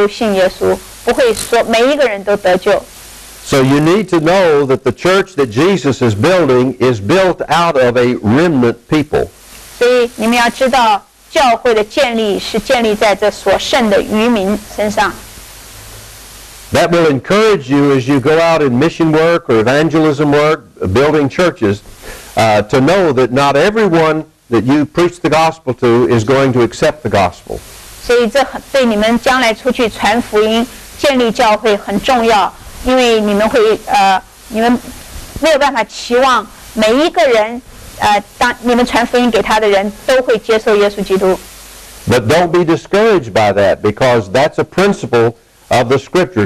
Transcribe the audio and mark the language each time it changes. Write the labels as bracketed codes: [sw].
[zh] 可是我们知道事实上知道不会全部人都信耶稣，不会说每一个人都得救。 [en] So you need to know that the church that Jesus is building is built out of a remnant people. [zh] 所以你们要知道教会的建立是建立在这所剩的余民身上。 [en] That will encourage you as you go out in mission work or evangelism work, building churches, to know that not everyone that you preach the gospel to is going to accept the gospel. [zh] 所以这对你们将来出去传福音、建立教会很重要。因为你们会，你们没有办法期望每一个人，当你们传福音给他的人都会接受耶稣基督。 [en] But don't be discouraged by that, because that's a principle of the Scripture.